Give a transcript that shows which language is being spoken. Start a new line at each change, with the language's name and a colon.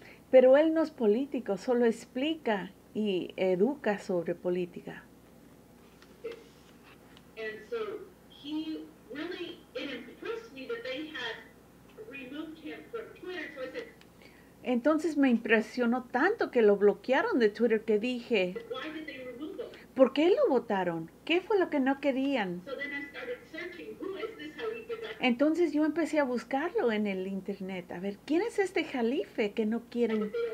Spanish: Pero él no es político, solo explica y educa sobre política.
English: And so he really, it impressed me that they had removed him from Twitter. So I said,
Spanish: entonces me impresionó tanto que lo bloquearon de Twitter que dije,
English: why did they remove him?
Spanish: ¿Por qué lo votaron? ¿Qué fue lo que no querían?
English: So then I started searching, who is this Jalife?
Spanish: Entonces yo empecé a buscarlo en el internet, a ver, ¿quién es este Jalife que no quieren?